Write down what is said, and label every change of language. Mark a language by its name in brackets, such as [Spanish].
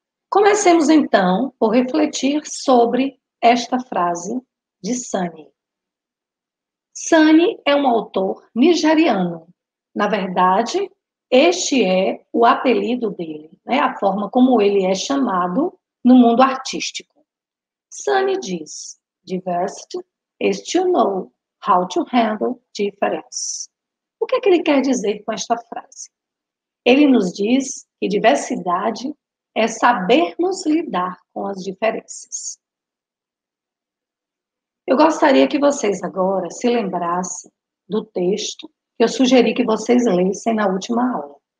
[Portuguese] Comecemos, então, por refletir sobre esta frase de Sunny. Sunny é um autor nigeriano. Na verdade, este é o apelido dele, né? A forma como ele é chamado no mundo artístico. Sunny diz, [English] "Diversity is to know how to handle difference." [Portuguese] O que é que ele quer dizer com esta frase? Ele nos diz que diversidade é sabermos lidar com as diferenças. Eu gostaria que vocês agora se lembrassem do texto que eu sugeri que vocês lessem na última aula.